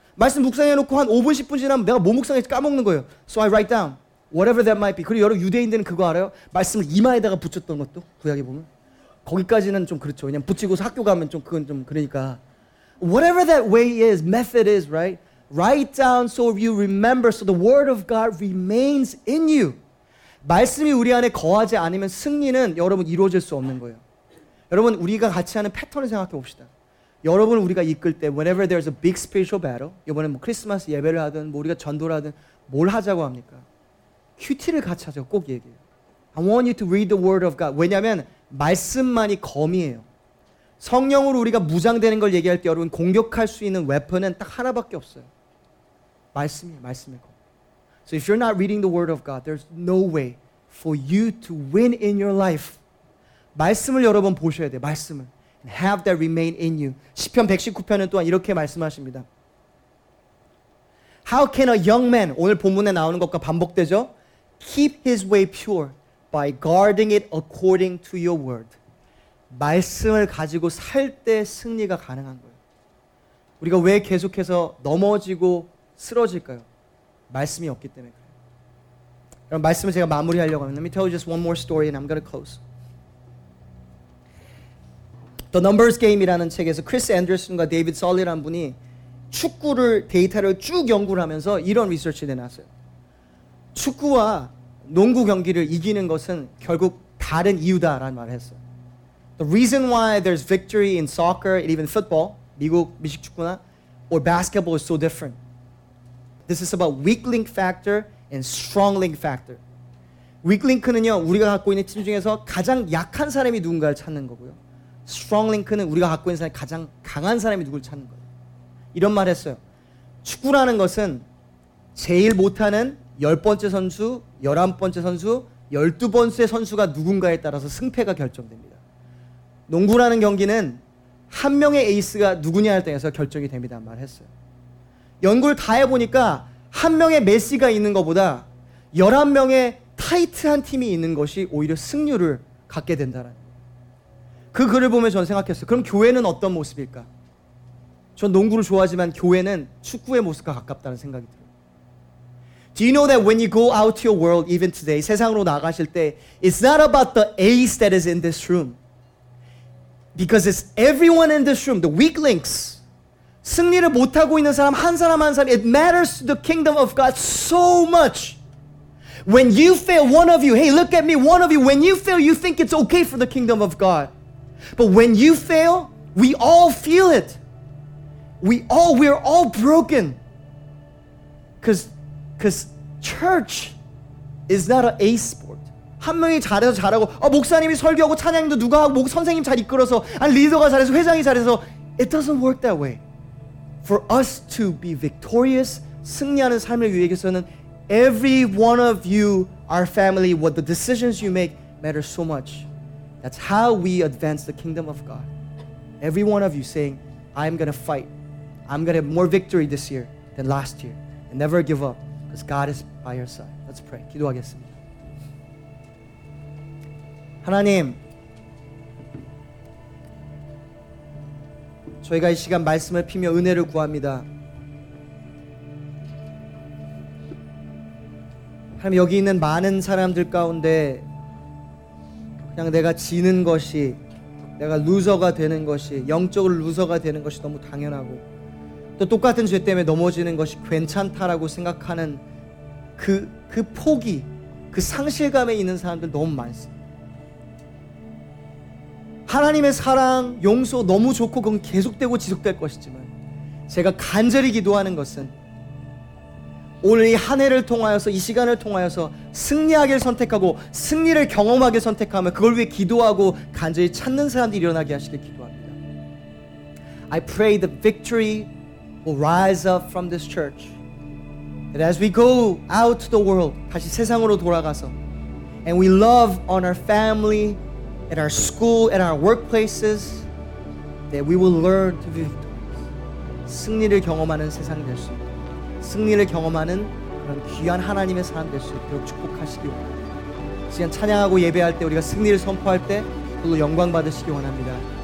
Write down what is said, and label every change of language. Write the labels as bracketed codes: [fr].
[ko] 말씀 묵상해놓고 한 5분, 10분 지나면 내가 뭐 묵상했지 까먹는 거예요. [en] So I write down. Whatever that might be. [ko] 그리고 여러분 유대인들은 그거 알아요? 말씀을 이마에다가 붙였던 것도 구약에 보면. 거기까지는 좀 그렇죠. 그냥 붙이고서 학교 가면 좀 그건 좀 그러니까. [en] Whatever that way is, method is, right? Write down so you remember, so the word of God remains in you. [ko] 말씀이 우리 안에 거하지 않으면 승리는 여러분 이루어질 수 없는 거예요. 여러분 우리가 같이 하는 패턴을 생각해 봅시다. 여러분을 우리가 이끌 때 [en] whenever there's a big spiritual battle [ko] 이번에 뭐 크리스마스 예배를 하든 뭐 우리가 전도를 하든 뭘 하자고 합니까? QT를 같이 하자고 꼭 얘기해요. [en] I want you to read the word of God. [ko] 왜냐하면 말씀만이 검이에요. 성령으로 우리가 무장되는 걸 얘기할 때 여러분 공격할 수 있는 웨폰은 딱 하나밖에 없어요. 말씀이에요. 말씀의 검. [en] So if you're not reading the word of God, there's no way for you to win in your life. [ko] 말씀을 여러 번 보셔야 돼요. 말씀을. [en] And have that remain in you. [ko] 시편 119편은 또한 이렇게 말씀하십니다. [en] How can a young man, [ko] 오늘 본문에 나오는 것과 반복되죠? [en] Keep his way pure by guarding it according to your word. [ko] 말씀을 가지고 살 때 승리가 가능한 거예요. 우리가 왜 계속해서 넘어지고 쓰러질까요? 말씀이 없기 때문에 그래요. 그럼 말씀을 제가 마무리하려고 합니다. [en] Let me tell you just one more story and I'm going to close. [ko] The Numbers Game이라는 책에서 크리스 앤더슨과 데이빗 설리라는 분이 축구를 데이터를 쭉 연구를 하면서 이런 리서치를 내놨어요. 축구와 농구 경기를 이기는 것은 결국 다른 이유다라는 말을 했어요. [en] The reason why there's victory in soccer and even football, [ko] 미국 미식축구나 [en] or basketball is so different. This is about weak link factor and strong link factor. [ko] Weak link는요, 우리가 갖고 있는 팀 중에서 가장 약한 사람이 누군가를 찾는 거고요. Strong link는 우리가 갖고 있는 사람이 가장 강한 사람이 누굴 찾는 거예요. 이런 말 했어요. 축구라는 것은 제일 못하는 10번째 선수, 11번째 선수, 12번째 선수가 누군가에 따라서 승패가 결정됩니다. 농구라는 경기는 한 명의 에이스가 누구냐에 따라서 결정이 됩니다. 말 했어요. 연구를 다 해보니까 한 명의 메시가 있는 것보다 11명의 타이트한 팀이 있는 것이 오히려 승률을 갖게 된다는 그 글을 보면 저는 생각했어요. 그럼 교회는 어떤 모습일까? 전 농구를 좋아하지만 교회는 축구의 모습과 가깝다는 생각이 들어요. [en] Do you know that when you go out to your world even today, [ko] 세상으로 나가실 때, [en] it's not about the ace that is in this room. Because it's everyone in this room, the weak links. [ko] 승리를 못하고 있는 사람, 한 사람 한 사람, [en] it matters to the kingdom of God so much. When you fail, one of you, hey, look at me, one of you, when you fail, you think it's okay for the kingdom of God. But when you fail, we all feel it. We're all broken. Because church is not an ace sport. [ko] 한 명이 잘해서 잘하고, 목사님이 설교하고 찬양도 누가 하고, 선생님 잘 이끌어서, 아니, 리더가 잘해서, 회장이 잘해서. [en] It doesn't work that way. For us to be victorious, [ko] 승리하는 삶을 위해서는 [en] every one of you, our family, what the decisions you make matter so much. That's how we advance the kingdom of God. Every one of you saying, I'm going to fight. I'm going to have more victory this year than last year. And never give up because God is by your side. Let's pray. [ko] 기도하겠습니다. 하나님, 저희가 이 시간 말씀을 피며 은혜를 구합니다. 하나님, 여기 있는 많은 사람들 가운데 그냥 내가 지는 것이, 내가 루저가 되는 것이, 영적으로 루저가 되는 것이 너무 당연하고 또 똑같은 죄 때문에 넘어지는 것이 괜찮다라고 생각하는 그 포기, 그 상실감에 있는 사람들 너무 많습니다. 하나님의 사랑, 용서 너무 좋고 그건 계속되고 지속될 것이지만 제가 간절히 기도하는 것은 오늘 이 한 해를 통하여서 이 시간을 통하여서 승리하길 선택하고 승리를 경험하길 선택하며 그걸 위해 기도하고 간절히 찾는 사람들이 일어나게 하시길 기도합니다. [en] I pray the victory will rise up from this church. That as we go out to the world, [ko] 다시 세상으로 돌아가서 [en] and we love on our family, at our school, at our workplaces, that we will learn to be victorious. [ko] 승리를 경험하는 세상이 될 수 있습니다. 승리를 경험하는 그런 귀한 하나님의 사람 될 수 있도록 축복하시기 원합니다. 지금 찬양하고 예배할 때 우리가 승리를 선포할 때 그걸로 영광 받으시기 원합니다.